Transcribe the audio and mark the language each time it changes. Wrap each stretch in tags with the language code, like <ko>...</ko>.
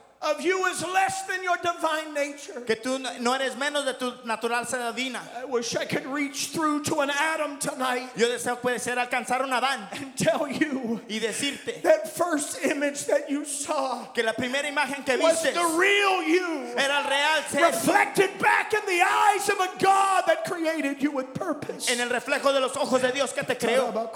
<en>Of you is less than your divine nature.</en> <es>Que tú no eres menos de tu naturaleza divina.</es> <en>I wish I could reach through to an Adam tonight.</en> <es>Yo deseo puede ser alcanzar un Adán.</es> <en>And tell you.</en> <es>Y decirte.</es> <en>That first image that you saw.</en> <es>Que la primera imagen que viste.</es> <en>Was the real you.</en> <es>Era el real ser.</es> <en>Reflected back in the eyes of a God that created you with purpose.</en> <es>En el reflejo de los ojos de Dios que te creó.</es>